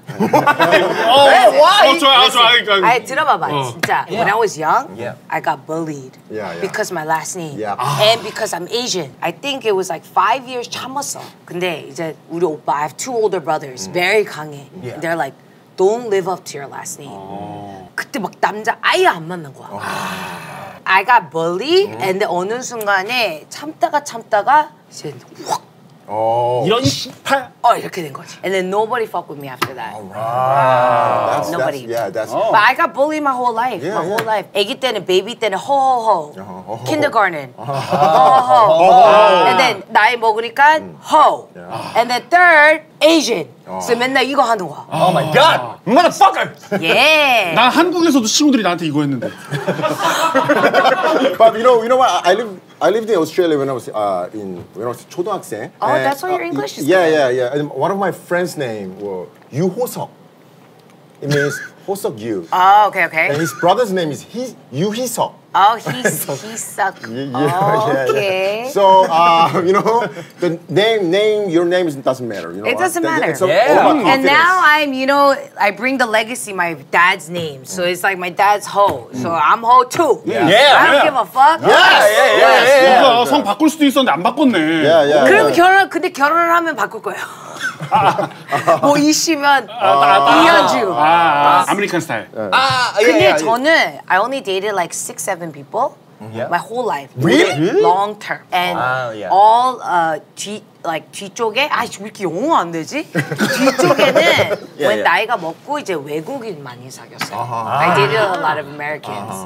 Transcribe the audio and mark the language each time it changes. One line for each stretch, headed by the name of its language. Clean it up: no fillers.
English: Why? Oh, why? Oh, sorry.
Korean: I 들어봐봐, 진짜.
English: Yeah. When I was young, I got bullied because my last name. Yeah. And because I'm Asian. I think it was like 5 years
Korean: 참았어. 근데 이제 우리 오빠,
English: I have 2 older brothers, very
Korean: 강해.
English: Yeah. They're like, don't live up to your last name. Oh.
Korean: 그때 막 남자 아예 안 맞는 거야.
English: I got bullied, and
Korean: 어느 순간에 참다가 이제 확 이런 18. 어 이렇게 된 거지.
English: And then nobody fuck with me after that. Wow. That's, nobody. That's, yeah, that's. Oh. But I got bullied my whole life. Yeah, my whole life.
Korean: 아기 때는,
English: baby 때는, ho ho ho. Kindergarten. Ho ho ho. And then
Korean: 나이 먹으니까
English: ho. And then third, Asian. So
Korean: 맨날 이거 하는 거.
English: Oh my God, motherfucker. Yeah.
Korean: 나 한국에서도 친구들이 나한테 이거 했는데.
English: But you know what? I lived in Australia when I was in when I was 초등학생. Oh, and, that's why your English is. Yeah, good. Yeah, yeah. And one of my friends' name was Yu Hoseok. It means Hoseok Yu. Oh, okay, okay. And his brother's name is Yu Hee-seok. Oh, Hee-seok. Yeah, oh, okay. Yeah, yeah. So you know, the name, your name doesn't matter. You know, it doesn't matter. It's yeah. And confidence. Now I'm, you know, I bring the legacy, my dad's name. So it's like my dad's Ho. So I'm Ho too. Yeah. Yeah. I don't give a fuck. Yeah.
Korean: 뭔가 성 바꿀 수도 있었는데 안 바꿨네.
English: Yeah, yeah.
Korean: 그럼 결혼, 근데 결혼을 하면 바꿀 거예요. 뭐 이씨면 이현주 아메리칸 스타일 근데 저는
English: I only dated like 6-7 people my whole life really? long term and all
Korean: 뒤쪽에 아왜 이렇게 영어 안 되지? 뒤쪽에는 when 나이가 먹고 이제 외국인 많이 사귀었어요
English: I dated a lot of Americans